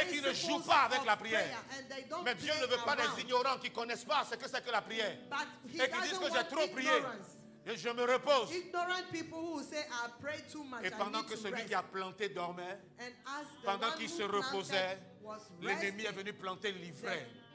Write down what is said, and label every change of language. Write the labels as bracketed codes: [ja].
[fr] et qui ne jouent pas avec la prière. [en] Prayer, [fr] mais Dieu ne veut pas des ignorants qui ne connaissent pas ce que c'est que la prière et qui disent que j'ai trop prié et je me repose. [en] Ignorant people who say, I pray too much, [fr] et pendant que celui qui a planté dormait, pendant qu'il se reposait, l'ennemi est venu planter l'ivraie.